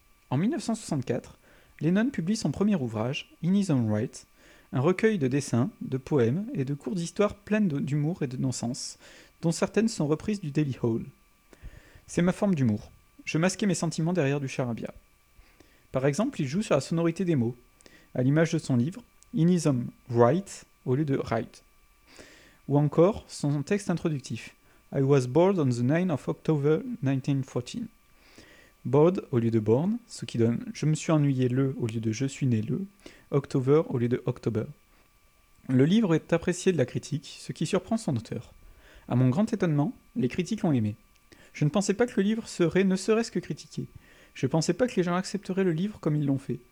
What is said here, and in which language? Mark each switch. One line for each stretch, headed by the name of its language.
French: En 1964, Lennon publie son premier ouvrage, In His Own Right, un recueil de dessins, de poèmes et de courtes histoires pleines d'humour et de non-sens, dont certaines sont reprises du Daily Howl. C'est ma forme d'humour. Je masquais mes sentiments derrière du charabia. Par exemple, il joue sur la sonorité des mots, à l'image de son livre, In His Own Right, au lieu de Right. Ou encore, son texte introductif,
English: I was born on the 9th of October 1914.
French: Bored au lieu de born, ce qui donne je me suis ennuyé le au lieu de je suis né le, October au lieu de October. Le livre est apprécié de la critique, ce qui surprend son auteur. À mon grand étonnement, les critiques l'ont aimé. Je ne pensais pas que le livre serait ne serait-ce que critiqué. Je ne pensais pas que les gens accepteraient le livre comme ils l'ont fait.